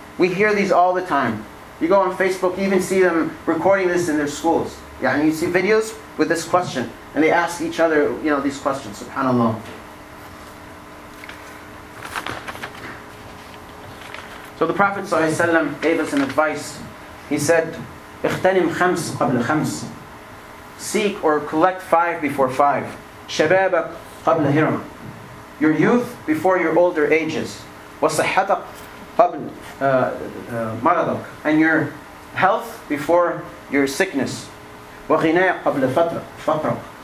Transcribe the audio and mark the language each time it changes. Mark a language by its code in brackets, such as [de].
[en] We hear these all the time. You go on Facebook, you even see them recording this in their schools. Yeah, and you see videos with this question. And they ask each other, you know, these questions. SubhanAllah. So the Prophet ﷺ gave us an advice. He said, [ar] اختنم خمس قبل خمس. [en] Seek or collect five before five. [ar] شبابك قبل هرم. [en] Your youth before your older ages. [ar] وصحتك قبل مرضك. [en] And your health before your sickness. [ar] وغناك قبل فقرك.